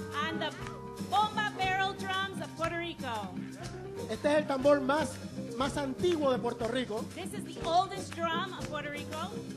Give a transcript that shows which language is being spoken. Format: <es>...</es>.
<en>And the bomba barrel drums of Puerto Rico.</en> <es>Este es el tambor más antiguo de Puerto Rico.</es> <en>This is the oldest drum of Puerto Rico.</en>